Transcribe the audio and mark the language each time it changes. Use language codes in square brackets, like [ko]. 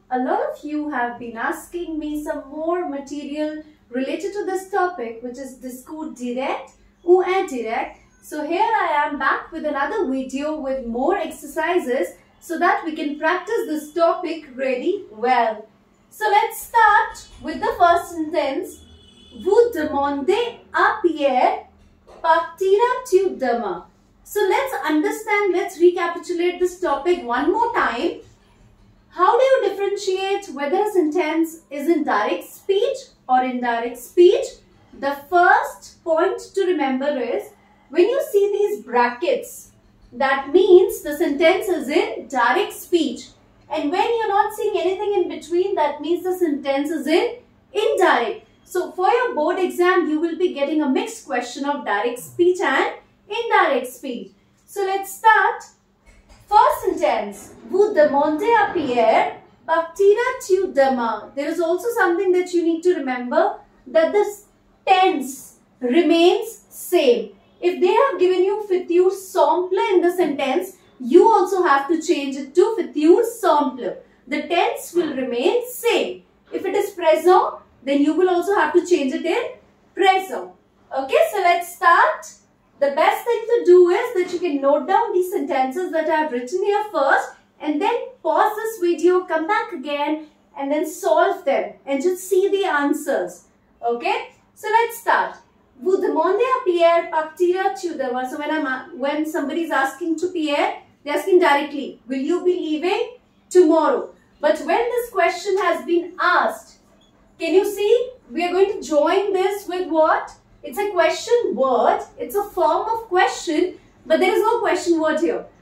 [en] A lot of you have been asking me some more material related to this topic, which is [fr] discours direct ou indirect. [en] So here I am back with another video with more exercises so that we can practice this topic really well. So let's start with the first sentence. [fr] Vous demandez à Pierre partira-t-il demain? [en] So let's understand, let's recapitulate this topic one more time. How do you differentiate whether a sentence is in direct speech or indirect speech? The first point to remember is, when you see these brackets, that means the sentence is in direct speech. And when you're not seeing anything in between, that means the sentence is in indirect. So for your board exam, you will be getting a mixed question of direct speech and indirect speech. So let's start. [fr] First sentence, vous demandez à Pierre partira-t-il demain? [en] There is also something that you need to remember, that this tense remains same. If they have given you futur simple in the sentence, you also have to change it to futur simple. The tense will remain same. If it is present, then you will also have to change it in present. Okay, so let's start. The best thing to do is that you can note down these sentences that I have written here first and then pause this video, come back again and then solve them and just see the answers. Okay? So let's start. [fr] Vous demandez à Pierre partira-t-il demain? [en] So when somebody is asking to Pierre, they're asking directly, will you be leaving tomorrow? But when this question has been asked, can you see? We are going to join this with what? It's a question word, it's a form of question, but there is no question word here.